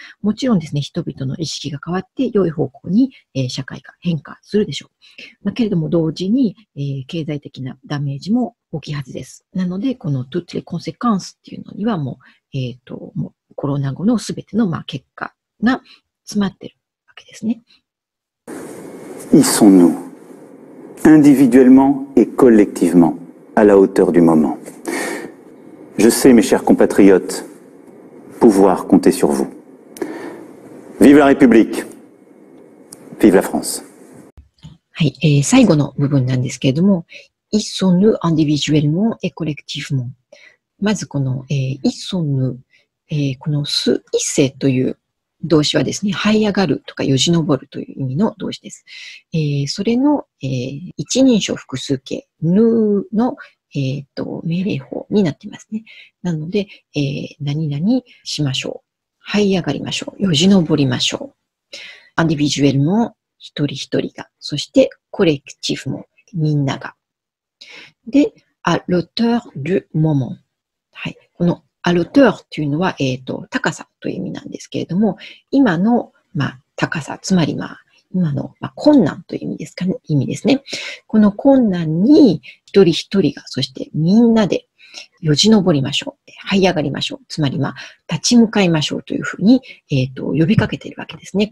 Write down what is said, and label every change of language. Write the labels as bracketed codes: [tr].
[ja] もちろんですね、人々の意識が変わって良い方向に、社会が変化するでしょう。まあ、けれども同時に、経済的なダメージも大きいはずです。なのでこの [fr] toutes les conséquences [ja] っていうのにはもう、もうコロナ後のすべてのまあ結果が詰まっているわけですね。 [fr] Y sommes-nous, individuellement et collectivement, à la hauteur du moment. Je sais, mes chers compatriotes, pouvoir compter sur vous. Vive la République! Vive la France! [ja] はい、最後の部分なんですけれども、 [fr] Y sommes-nous, individuellement et collectivement. [ja] まずこの、 [fr] Y sommes-nous、 [ja] このす、いせという、動詞はですね、這い上がるとかよじ登るという意味の動詞です。それの、一人称複数形、ぬの、命令法になっていますね。なので、何々しましょう。這い上がりましょう。よじ登りましょう。アンディビジュエルも一人一人が。そして、コレクティフもみんなが。 [fr] で、à l'auteur du moment。 [ja] はい。このアロテルというのは、高さという意味なんですけれども、今の、まあ、高さ、つまり、まあ、今の、まあ、困難という意味ですかね、意味ですね。この困難に一人一人が、そしてみんなでよじ登りましょう、這い上がりましょう、つまり、まあ、立ち向かいましょうというふうに、呼びかけているわけですね。